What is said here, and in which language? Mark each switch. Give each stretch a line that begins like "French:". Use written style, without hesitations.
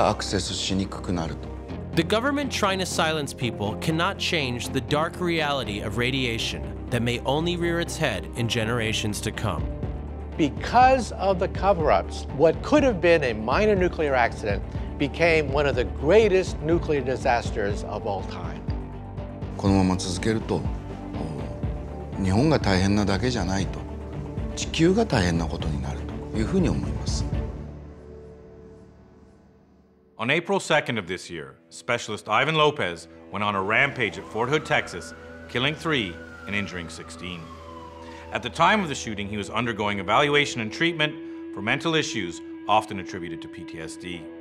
English: The government trying to silence people cannot change the dark reality of radiation that may only rear its head in generations to come. Because of the cover-ups, what could have been a minor nuclear accident became one of the greatest nuclear disasters of all time.
Japanese: このまま続けると、日本が大変なだけじゃないと、地球が大変なことになるというふうに思います。
English: On April 2nd of this year, specialist Ivan Lopez went on a rampage at Fort Hood, Texas, killing 3 and injuring 16. At the time of the shooting, he was undergoing evaluation and treatment for mental issues, often attributed to PTSD.